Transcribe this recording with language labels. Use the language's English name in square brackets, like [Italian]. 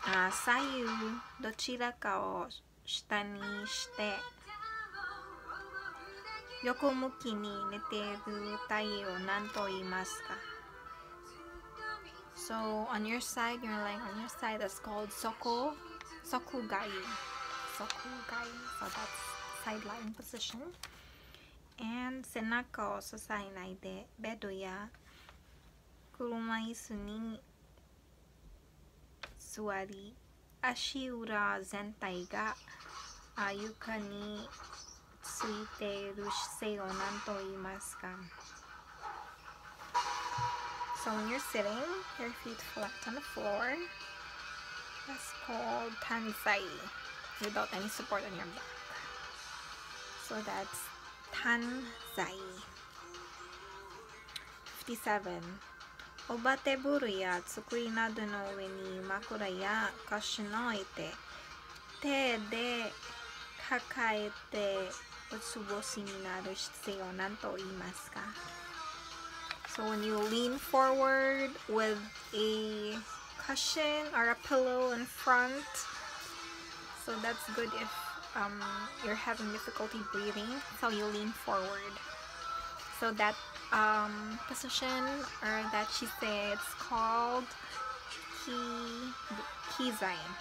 [Japanese] 左右どちらかを下にして横向きに寝ている体位を何と言いますか? [English] So on your side, you're lying on your side, that's called soku gai. So that'sside lying position and [Japanese] 背中を支えないでベッドや車椅子に座り足裏全体が床につついている姿勢を何と言いますか? [English] So when you're sitting, your feet flat on the floor, that's called tansai, without any support on your back. So that's tansai. 57. [Japanese] おばテーブルや机などの上に枕や腰の置いて手で抱えてうつ伏せになる姿勢を何と言いますか? [English] So when you lean forward with a cushion or a pillow in front, so that's good if you're having difficulty breathing, so you lean forward. So that position or that she said it's called Kizai.